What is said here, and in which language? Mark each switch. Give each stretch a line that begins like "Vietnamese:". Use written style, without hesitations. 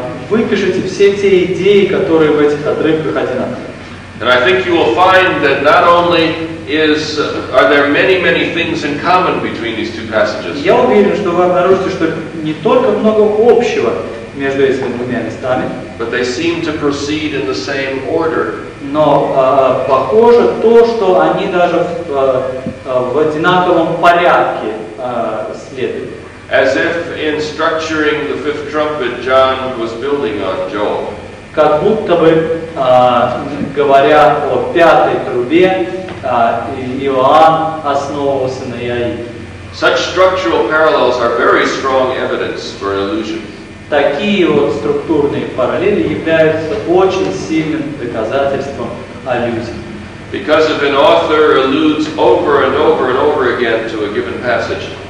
Russian: Выпишите все те идеи, которые в этих отрывках одинаковы.
English: And I think you will find that not only is are there many, many things in common between these two passages.
Russian: Я уверен, что вы обнаружите, что не только много общего между этими двумя местами.
English: But they seem to proceed in the same order.
Russian: Но похоже то, что они даже в одинаковом порядке следуют.
English: As if in structuring the fifth trumpet, John was building on Joel.
Russian: Как будто бы, говоря о пятой трубе, Иоанн основывался на Иаиле.
English: Such structural parallels are very strong evidence for an illusion.
Russian: Такие вот структурные параллели являются очень сильным доказательством иллюзии.
English: Because if an author alludes over and over and over again to a given passage,